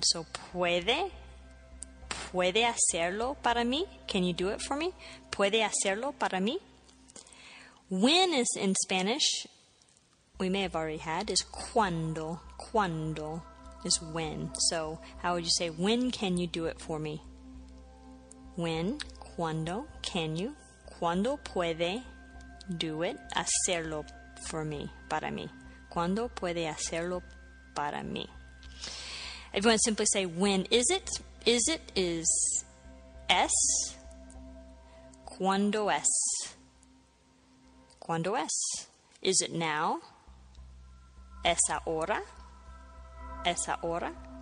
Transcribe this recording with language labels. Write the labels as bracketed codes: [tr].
[en] So [es] puede, puede hacerlo para mí, [en] can you do it for me? [es] Puede hacerlo para mí. [en] When is in Spanish, we may have already had, is cuando. Cuando is when. So how would you say, when can you do it for me? When, cuando, can you? [es] Cuando puede [en] do it, [es] hacerlo [en] for me, [es] para mí. Cuando puede hacerlo para mí. [en] If you want to simply say, when is it is [es] es, cuando es. Cuando es. [en] Is it now? [es] Es ahora, es ahora.